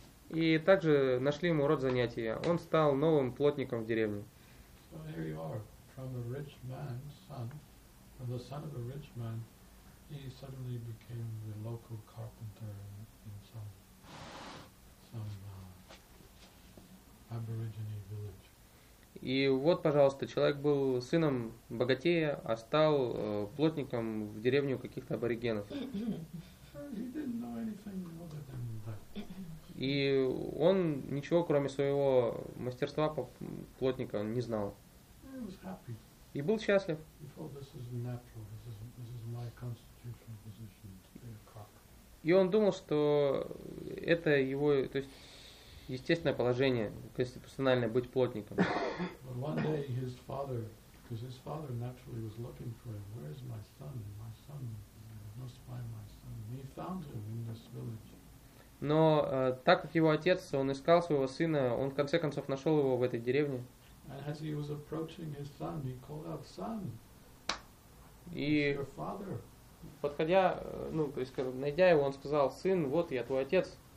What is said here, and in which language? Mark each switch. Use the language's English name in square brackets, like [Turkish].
[Russian] И также нашли ему род занятия. Он стал новым плотником в деревне. [English] So here you are, from a rich man's son, from the son of a rich man, he suddenly became the local carpenter in some aborigine village. [Russian] И вот, пожалуйста, человек был сыном богатея, а стал плотником в деревню каких-то аборигенов. [English] He didn't know anything other than that. [Russian] И он ничего, кроме своего мастерства плотника, не знал. [English] He was happy. [Russian] И был счастлив. [English] He thought, this is natural. This is my constitutional position to be a cop. [Russian] И он думал, что это его, то есть, естественное положение, конституциональное быть плотником. [English] But one day his father, because his father naturally was looking for him, where is my son? My son must find my son. He found him in this village. [Russian] Но так как его отец, он искал своего сына, он в конце концов нашел его в этой деревне. [English] And as he was approaching his son, he called out, "Son, it's your father." [Russian] Подходя, ну, то есть, найдя его, он сказал, "Сын, вот я твой отец."